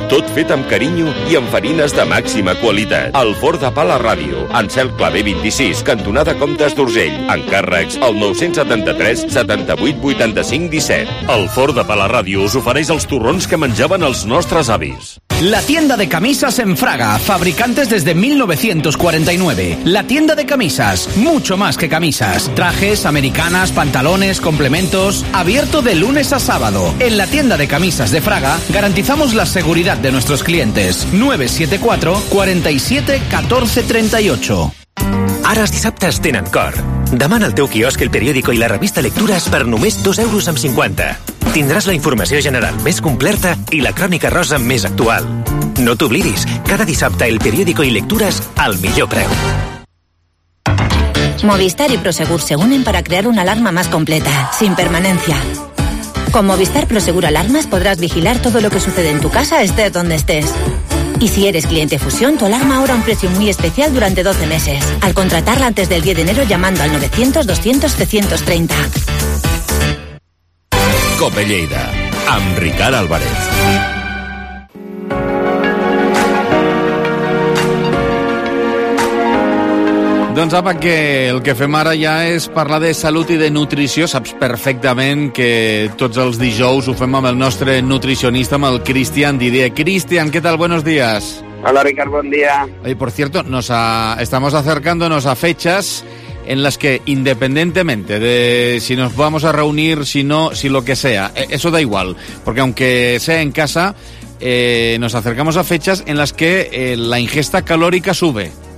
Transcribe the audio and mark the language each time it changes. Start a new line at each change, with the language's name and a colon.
Catalan: Tot fet amb carinyo i amb farines de màxima qualitat. El forn de Bala Ràdio, en Cel Claver 26, cantonada Comtes d'Urgell. Encàrrecs al 973 78 85 17. El forn de Bala Ràdio us ofereix els torrons que menjaven els nostres avis.
Spanish: La tienda de camisas en Fraga, fabricantes desde 1949. La tienda de camisas, mucho más que camisas. Trajes, americanas, pantalones, complementos, abierto de lunes a sábado. En la tienda de camisas de Fraga garantizamos la seguridad de nuestros clientes. 974-47-1438.
Catalan: Ara els dissabtes tenen cor. Demana al teu quiosc el periòdico i la revista Lectures per només 2,50 €. Tindràs la informació general més completa i la crònica rosa més actual. No t'oblidis, cada dissabte el periòdico i Lectures al millor preu.
Spanish: Movistar i Prosegur se unen para crear una alarma más completa, sin permanencia. Con Movistar Prosegur Alarmas podrás vigilar todo lo que sucede en tu casa, estés donde estés. Y si eres cliente Fusión, tu alarma ahora a un precio muy especial durante 12 meses. Al contratarla antes del 10 de enero llamando al 900-200-730.
Catalan: COPE Lleida, amb Ricard Álvarez. Doncs apa, que el que fem ara ja és parlar de salut i de nutrició. Saps perfectament que tots els dijous ho fem amb el nostre nutricionista, amb el Cristian Didier. Cristian, què tal?
Spanish: Buenos días.
Catalan: Hola, Ricard, bon dia.
Spanish: Oye, por cierto, estamos acercándonos a fechas en las que, independientemente de si nos vamos a reunir, si no, si lo que sea, eso da igual, porque aunque sea en casa, nos acercamos a fechas en las que la ingesta calórica sube.